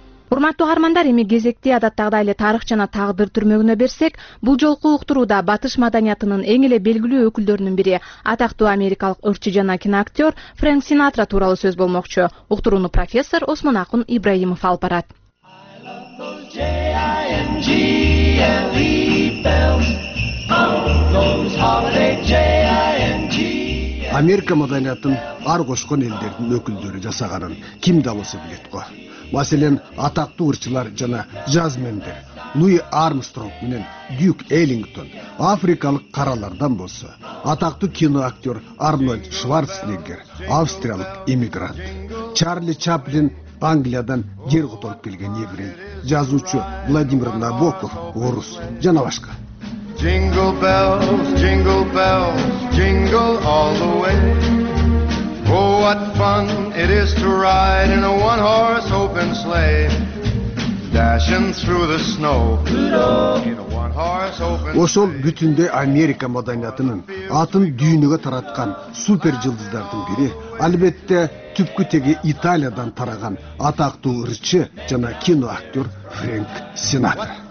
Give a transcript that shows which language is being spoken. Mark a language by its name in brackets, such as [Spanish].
[Kyrgyz] Урматтуу каармандар, эми кезекти адаттагыдай эле тарых жана тагдыр түрмөгүнө берсек, бул жолку уктурууда батыш маданиятынын эң эле белгилүү өкүлдөрүнүн бири, атактуу америкалык ырчы жана киноактер Фрэнк Синатра тууралуу сөз болмокчу. Уктурууну профессор Осман Акын Ибраимов алып барат. [English] I love those J-I-N-G-L-E bells. [Kyrgyz] Америка маданиятын ар кошкон элдердин өкүлдөрү жасаганын ким да болсо билет го. Маселен, атактуу ырчылар жана жазмендер Луи Армстронг менен Дюк Эллингтон африкалык каралардан болсо, атактуу киноактер Арнольд Шварценеггер австриялык иммигрант, Чарли Чаплин Англиядан жер которуп келген еврей, жазуучу Владимир Набоков орус жана башка. [English] Jingle bells, jingle bells, jingle all the way. Oh, what fun it is to ride in a one-horse open sleigh. Dashing through the snow. [Kyrgyz] Ошол бүтүндөй Америка маданиятынын атын дүйнөгө тараткан супер жылдыздардын бири, албетте түпкү теги Италиядан тараган атактуу ырчы жана киноактер Фрэнк Синатра.